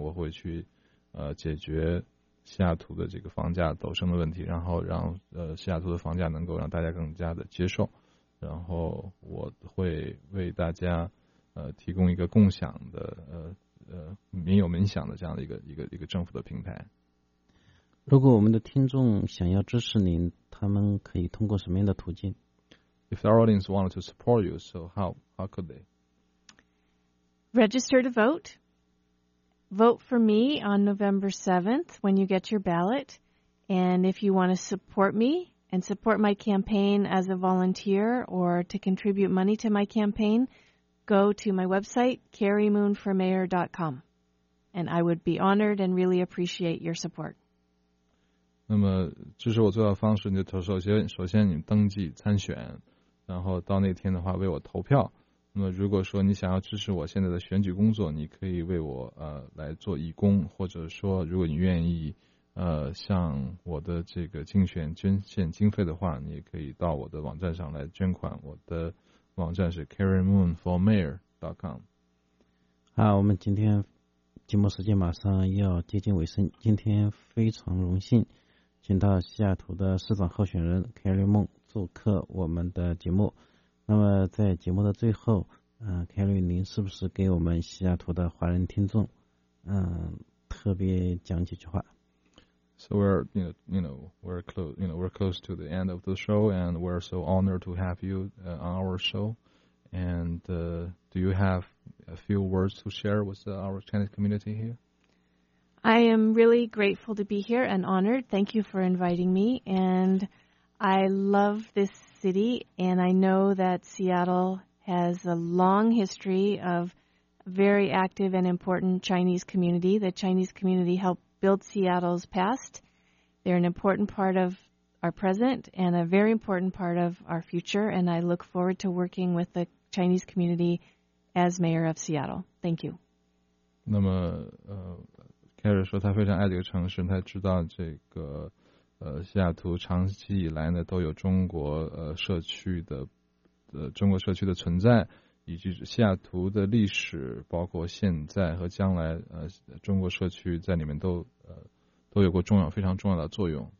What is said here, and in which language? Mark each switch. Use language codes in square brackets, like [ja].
[zh] 我会去解决西雅图的这个房价陡升的问题，然后让西雅图的房价能够让大家更加的接受。然后我会为大家提供一个共享的民有民享的这样的一个政府的平台。如果我们的听众想要支持您，他们可以通过什么样的途径 [en] ？If the audience wanted to support you, so how could they? Register to vote. Vote for me on November 7th when you get your ballot. And if you want to support me and support my campaign as a volunteer or to contribute money to my campaign, go to my website, carriemoonformayor.com. And I would be honored and really appreciate your support. [zh] 那么这是我最好的方式，你就首先你登记参选，然后到那天的话为我投票。那么如果说你想要支持我现在的选举工作，你可以为我来做义工，或者说如果你愿意向我的这个竞选捐献经费的话，你也可以到我的网站上来捐款。我的网站是 carriemoonformayor.com。好，我们今天节目时间马上要接近尾声，今天非常荣幸请到西雅图的市长候选人 Carrie Moon 做客我们的节目。那么在节目的最后，Carrie， 您是不是给我们西雅图的华人听众，特别讲几句话 [en] ？So we're close to the end of the show, and we're so honored to have you on our show. And do you have a few words to share with our Chinese community here? I am really grateful to be here and honored. Thank you for inviting me. And I love this city, and I know that Seattle has a long history of very active and important Chinese community. The Chinese community helped build Seattle's past. They're an important part of our present and a very important part of our future, and I look forward to working with the Chinese community as mayor of Seattle. Thank you. [zh] 那么开始说他非常爱这个城市，他知道这个西雅图长期以来呢都有中国社区的中国社区的存在，以及西雅图的历史，包括现在和将来中国社区在里面都有过重要非常重要的作用。